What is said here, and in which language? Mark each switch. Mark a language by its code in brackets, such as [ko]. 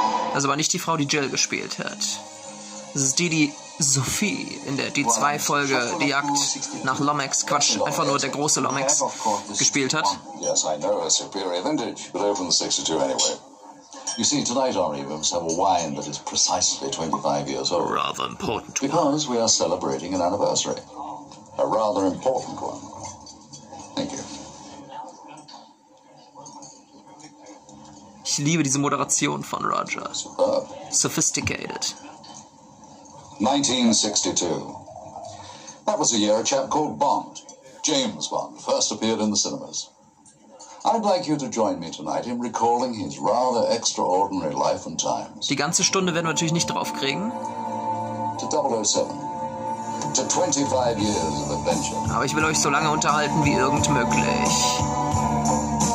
[de] Das ist aber nicht die Frau, die Jill gespielt hat. Das ist die Sophie in der D2-Folge Die Jagd nach Lomax. Quatsch, einfach nur der große Lomax gespielt hat. [en] Yes, I know, a superior vintage, but over the 62 anyway. You see, tonight our evenings have a wine that is precisely 25 years old. Rather important one. Because we are celebrating an anniversary. A rather important one. Thank you. [de] Ich liebe diese Moderation von Roger. Sophisticated. [en] 1962. That was a year a chap called Bond, James Bond, first appeared in the cinemas. I'd like you to join me tonight in recalling his rather extraordinary life and times. [de] Die ganze Stunde werden wir natürlich nicht drauf kriegen. [en] To 007. To 25 years of adventure. [de] Aber ich will euch so lange unterhalten wie irgend möglich.